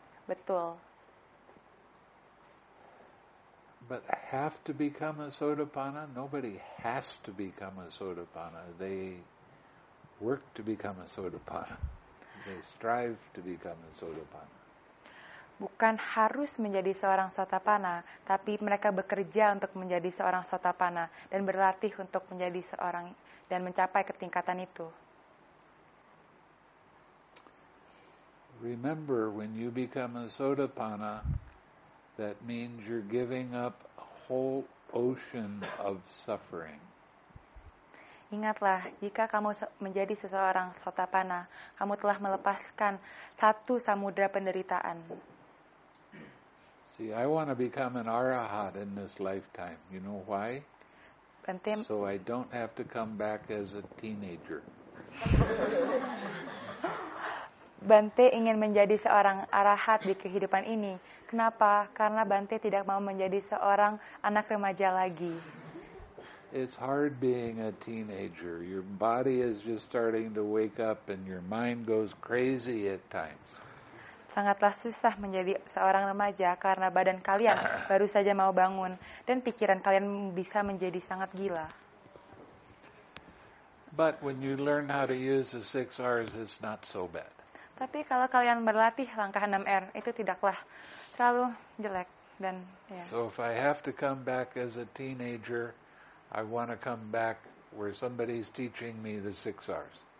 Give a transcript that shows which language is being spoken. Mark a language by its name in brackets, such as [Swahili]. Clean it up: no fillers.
[Indonesian] Betul. [English] But have to become a satapana? Nobody has to become a satapana. They work to become a satapana. They strive to become a satapana. [Indonesian] Bukan harus menjadi seorang satapana, tapi mereka bekerja untuk menjadi seorang satapana dan berlatih untuk menjadi seorang dan mencapai ketingkatan itu. [English] Remember, when you become a sotapana, that means you're giving up a whole ocean of suffering. [Indonesian] Ingatlah, jika kamu menjadi seseorang sotapana, kamu telah melepaskan satu samudra penderitaan. [English] See, I want to become an arahat in this lifetime. You know why? So I don't have to come back as a teenager. [Indonesian] Bante ingin menjadi seorang arahat di kehidupan ini. Kenapa? Karena Bante tidak mau menjadi seorang anak remaja lagi. [English] It's hard being a teenager. Your body is just starting to wake up and your mind goes crazy at times. [Indonesian] Sangatlah susah menjadi seorang remaja karena badan kalian baru saja mau bangun dan pikiran kalian bisa menjadi sangat gila. [English] But when you learn how to use the 6 R's, it's not so bad. [Indonesian] Tapi kalau kalian berlatih langkah 6 R, itu tidaklah terlalu jelek dan ya. [English] So if I have to come back as a teenager, I want to come back where somebody is teaching me the 6 R's.